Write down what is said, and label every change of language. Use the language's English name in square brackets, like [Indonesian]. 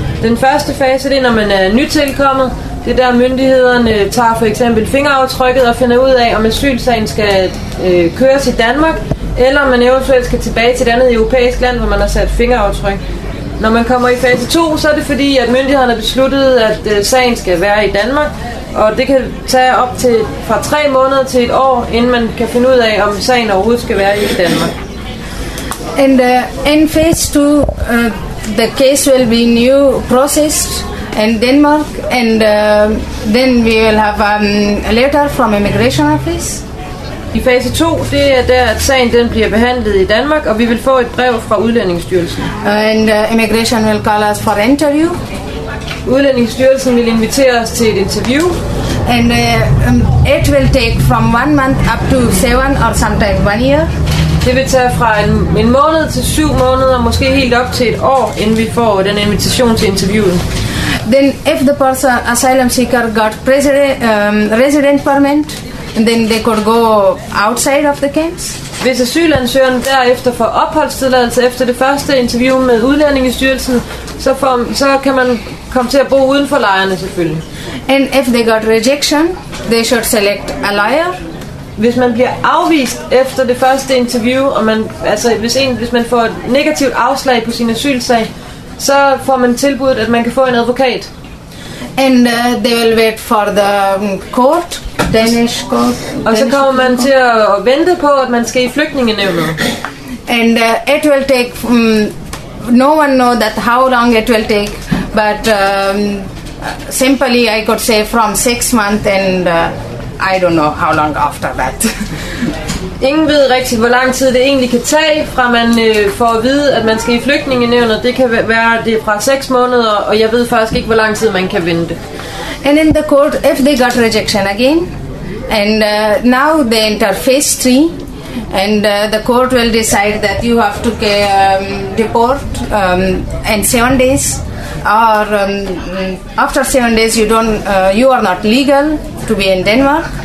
[Danish] Den første fase, det er, når man er nytilkommet. Det er der, myndighederne tager for eksempel fingeraftrykket og finder ud af, om asylsagen skal køres i Danmark, eller om man eventuelt skal tilbage til et andet europæisk land, hvor man har sat fingeraftryk. Når man kommer i fase 2, så er det fordi, at myndighederne har besluttet, at sagen skal være i Danmark. Og det kan tage op til fra 3 måneder til et år, inden man kan finde ud af, om sagen overhovedet skal være i Danmark. [English] And in phase 2, the case will be new processed in Denmark, and then we will have a letter from immigration office. [Danish] I fase 2, det er der, at sagen den bliver behandlet i Danmark, og vi vil få et brev fra Udlændingsstyrelsen. [English] And immigration will call us for interview. [Danish] Udlændingsstyrelsen vil invitere os til et interview. [English] And it will take from 1 month up to 7 or sometimes 1 year. [Danish] Det vil tage fra en måned til 7 måneder, måske helt op til et år, inden vi får den invitation til interviewet. [English] Then if the person asylum seeker got resident permit, then they could go outside of the camps. [Danish] Hvis asylansøgeren derefter får opholdstilladelse efter det første interview med Udlændingsstyrelsen, så kan man komme til at bo uden for lejrene selvfølgelig. [English] And if they got rejection, they should select a lawyer. [Danish] Hvis man bliver afvist efter det første interview, og man altså hvis man får et negativt afslag på sin asylsag, så får man tilbudt, at man kan få en advokat. [English] And they will wait for the court. Danish court. [Danish] Og så kommer man til at vente på, at man skal i flygtningenævnet. [English] And it will take no one know that how long it will take, but simply I could say from 6 months, and I don't know how long after that. [Danish] Ingen ved rigtigt, hvor lang tid det egentlig kan tage, fra man får at vide, at man skal i flygtningenævnet. Det kan være det fra 6 måneder, og jeg ved faktisk ikke, hvor lang tid man kan vente. [English] And in the court, if they got rejection again, and now they enter phase 3, and the court will decide that you have to deport in 7 days, or after 7 days you are not legal to be in Denmark.